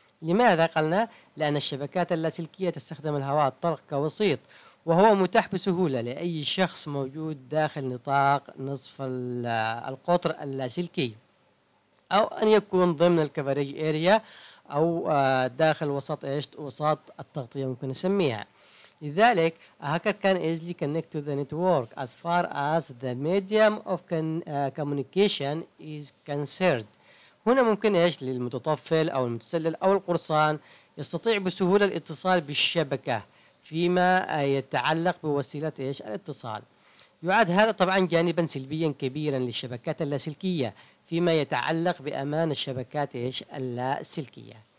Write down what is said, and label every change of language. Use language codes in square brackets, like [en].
[ar] لماذا قلنا؟ لأن الشبكات اللاسلكية تستخدم الهواء الطلق كوسيط، وهو متاح بسهولة لأي شخص موجود داخل نطاق نصف القطر اللاسلكي، أو أن يكون ضمن الكفريج إيريا أو داخل وسط وسط التغطية ممكن نسميها. لذلك [en] a hacker can easily connect to the network as far as the medium of communication is concerned. [ar] هنا ممكن للمتطفل أو المتسلل أو القرصان يستطيع بسهولة الاتصال بالشبكة فيما يتعلق بوسيلة الاتصال. يعد هذا طبعا جانبا سلبيا كبيرا للشبكات اللاسلكية فيما يتعلق بأمان الشبكات اللاسلكية.